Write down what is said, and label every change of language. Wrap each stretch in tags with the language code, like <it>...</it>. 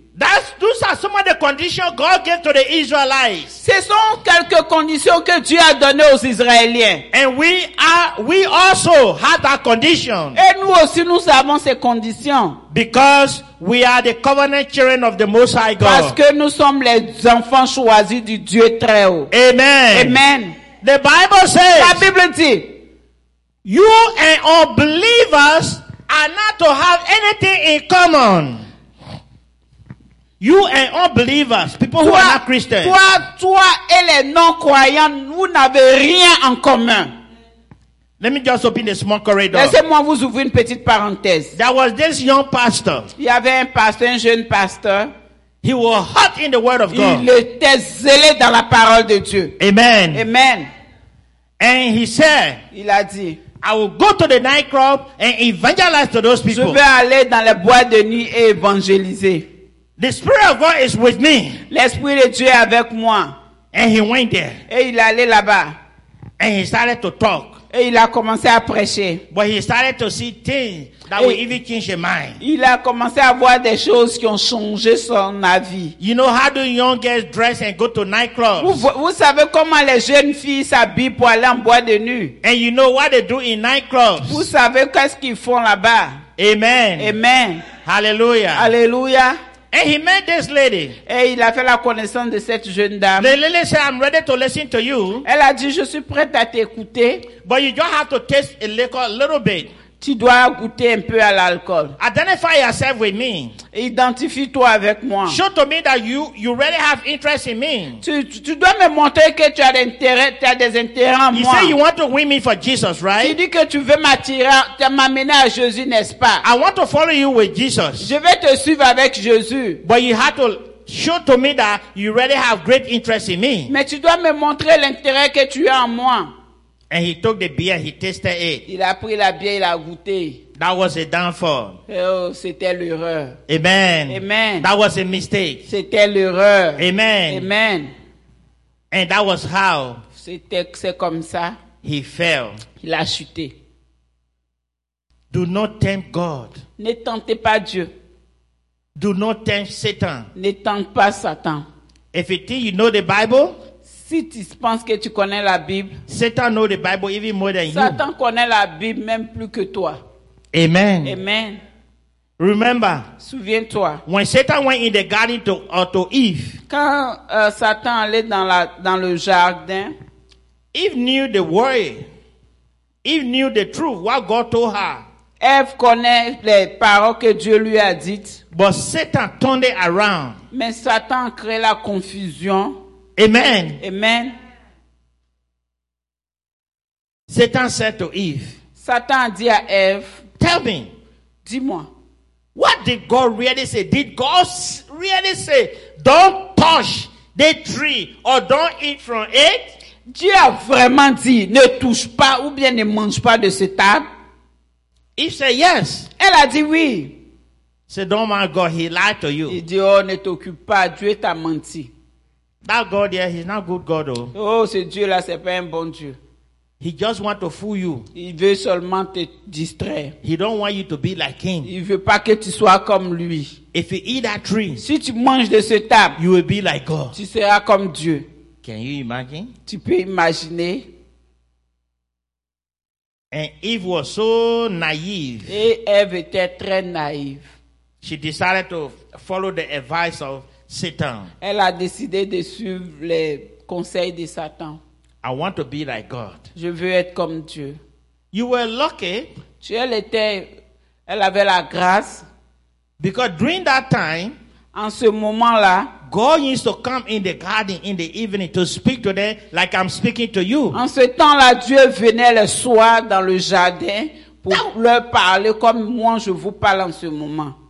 <en>Those are some of the conditions God gave to the Israelites.</en> <fr>Ce sont quelques conditions que Dieu a données aux Israéliens.</fr> <en>And we also have that condition.</en> <fr>Et nous aussi nous avons ces conditions.</fr> <en>Because we are the covenant children of the Most High God.</en> <fr>Parce que nous sommes les enfants choisis du Dieu très haut.</fr> <en>Amen.</en> <fr>Amen.</fr> <en>The Bible says.</en> <fr>La Bible dit.</fr> <en>You and unbelievers are not to have anything in common. You and unbelievers, people</en> <fr>toi,</fr> <en>who are not Christians.</en> <fr>Toi et les non-croyants, vous n'avez rien en commun.</fr> <en>Let me just open a small corridor.</en> <fr>Laissez-moi vous ouvrir une petite parenthèse.</fr> <en>There was this young pastor.</en> <fr>Il y avait un pasteur, un jeune pasteur.</fr> <en>He was hot in the word of God.</en> <fr>Il était zélé dans la parole de Dieu.</fr> <en>Amen.</en> <fr>Amen.</fr> <en>And he said.</en> <fr>Il a dit.</fr> <en>I will go to the nightclub and evangelize to those people.</en> <fr>Je vais aller dans les boîtes de nuit et évangéliser.</fr> <en>The Spirit of God is with me.</en> <fr>L'Esprit de Dieu est avec moi.</fr> <en>And he went there.</en> <fr>Et il est allé là-bas.</fr> <en>And he started to talk.</en> <fr>Et il a commencé à prêcher.</fr> <en>But he started to see things that will even change his mind.</en> <fr>Il a commencé à voir des choses qui ont changé son avis.</fr> <en>You know how do young girls dress and go to nightclubs?</en> <fr>Vous savez comment les jeunes filles s'habillent pour aller en boîte de nuit?</fr> <en>And you know what they do in nightclubs?</en> <fr>Vous savez qu'est-ce qu'ils font là-bas?</fr> <en>Amen.</en> <fr>Amen.</fr> <en>Hallelujah.</en> <fr>Hallelujah.</fr> <en>And he met this lady.</en> <fr>Et il a fait la connaissance de cette jeune dame.</fr> <en>The lady said, "I'm ready to listen to you."</en> <fr>Elle a dit, je suis prête à t'écouter.</fr> <en>But you just have to taste a little bit.</en> <fr>Tu dois goûter un peu à l'alcool.</fr> <en>Identify yourself with me.</en> <fr>Identifie-toi avec moi.</fr> <en>Show to me that you really have interest in me.</en> <fr>Tu dois me montrer que tu as d'intérêt, tu as des intérêts en moi.</fr> <en>You say you want to win me for Jesus, right?</en> <fr>Tu dis que tu veux m'attirer, tu veux m'amener à Jésus, n'est-ce pas?</fr> <en>I want to follow you with Jesus.</en> <fr>Je vais te suivre avec Jésus.</fr> <en>But you have to show to me that you really have great interest in me.</en> <fr>Mais tu dois me montrer l'intérêt que tu as en moi.</fr> <en>And he took the beer, he tasted it.</en> <fr>Il a pris la bière, il a goûté.</fr> <en>That was a downfall.</en> <fr>Oh, c'était l'erreur.</fr> <en>Amen.</en> <fr>Amen.</fr> <en>That was a mistake.</en> <fr>C'était l'erreur.</fr> <en>Amen.</en> <fr>Amen.</fr> <en>And that was how.</en> <fr>C'est comme ça.</fr> <en>He fell.</en> <fr>Il a chuté.</fr> <en>Do not tempt God.</en> <fr>Ne tentez pas Dieu.</fr> <en>Do not tempt Satan.</en> <fr>Ne tente pas Satan.</fr> <en>If it is, you know the Bible.</en> <fr>Si tu penses que tu connais la Bible,</fr> <en>Satan know the Bible even more than Satan you.</en> <fr>Satan connaît la Bible même plus que toi.</fr> <en>Amen.</en> <fr>Amen.</fr> <en>Remember.</en> <fr>Souviens-toi.</fr> <en>When Satan went in the garden to Eve.</en> <fr>Quand Satan allait dans le jardin,</fr> <en>Eve knew the word. Eve knew the truth. What God told her.</en> <fr>Eve connaît les paroles que Dieu lui a dites.</fr> <en>But Satan turned it around.</en> <fr>Mais Satan crée la confusion.</fr> <en>Amen.</en> <fr>Amen.</fr> <en>Satan said to Eve.</en> <fr>Satan dit à Eve.</fr> <en>Tell me.</en> <fr>Dis-moi.</fr> <en>What did God really say? Did God really say, don't touch the tree or don't eat from it?</en> <fr>Dieu a vraiment dit, ne touche pas ou bien ne mange pas de cet arbre?</fr> <en>Eve said yes.</en> <fr>Elle a dit oui.</fr> <en>Say, don't mind God, he lied to you.</en> <fr>Il dit, oh, ne t'occupe pas, Dieu t'a menti.</fr> <en>That God there, he's not good God though.</en> <fr>Oh, ce Dieu là, c'est pas un bon Dieu.</fr> <en>He just want to fool you.</en> <fr>Il veut seulement te distraire.</fr> <en>He don't want you to be like him.</en> <fr>Il veut pas que tu sois comme lui.</fr> <en>If you eat that tree,</en> <fr>si tu manges de cette arbre,</fr> <en>you will be like God.</en> <fr>Tu seras comme Dieu.</fr> <en>Can you imagine?</en> <fr>Tu peux imaginer?</fr> <en>And Eve was so naive.</en> <fr>Et Eve était très naïve.</fr> <en>She decided to follow the advice of Satan.</en> <fr>Elle a décidé de suivre les conseils de Satan.</fr> <en>I want to be like God.</en> <fr>Je veux être comme Dieu.</fr> <en>You were lucky.</en> <fr>Tu, elle avait la grâce.</fr> <en>Because during that time,</en> <fr>en ce moment-là,</fr> <en>God used to come in the garden in the evening to speak to them like I'm speaking to you.</en> <fr>En ce temps-là, Dieu venait le soir dans le jardin pour leur parler comme moi je vous parle en ce moment.</fr>